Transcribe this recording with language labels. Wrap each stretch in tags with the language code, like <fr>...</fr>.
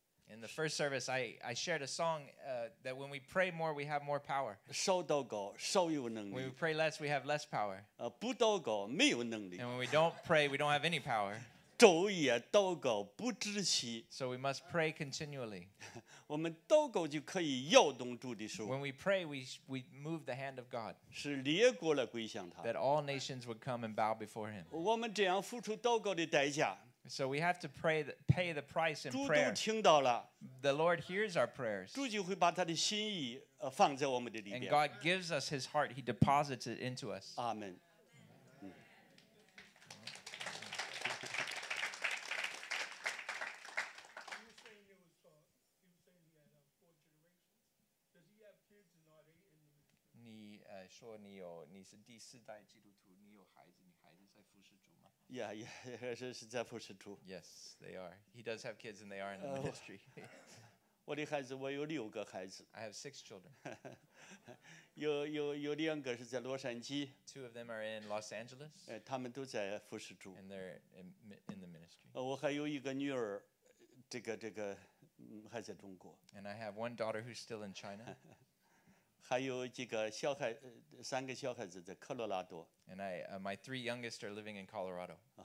<en>In the first service, I shared a song that when we pray more, we have more power.</en> <zh>少祷告,少有能力。</zh> <en>When we pray less, we have less power.</en> <zh>不祷告,没有能力。</zh> <en>And when we don't pray, we don't have any power.</en> <zh>昼夜祷告不知息。</zh> <en>So we must pray continually.</en> <zh>我们祷告就可以摇动主的手。</zh> <en>When we pray, we move the hand of God.</en> <zh>使列国来归向他。</zh> <en>That all nations would come and bow before Him.</en> <zh>我们这样付出祷告的代价。</zh> <en>So we have to pray the, pay the price in prayer.</en> <zh>主都听到了。</zh> <en>The Lord hears our prayers.</en> <zh>主就会把他的心意放在我们的里边。</zh> <en>And God gives us His heart. He deposits it into us. Amen.</en> <zh>说你有你是第四代基督徒，你有孩子，你孩子在服侍主吗？</zh> <en>Yeah, yeah,</en> <zh>是在服侍主。</zh> <en>Yes, they are. He does have kids, and they are in the ministry.</en> <zh>我的孩子，我有六个孩子。</zh> <en>I have six children.</en> <zh>有两个是在洛杉矶。</zh> <en>Two of them are in Los Angeles.</en> <zh>他们都在服侍主。</zh> <en>And they're in the ministry.</en> <zh>我还有一个女儿，这个还在中国。</zh> <en>And I have one daughter who's still in China.</en> <zh>还有几个小孩，三个小孩子在科罗拉多。</zh> <en>And I, my three youngest are living in Colorado.</en>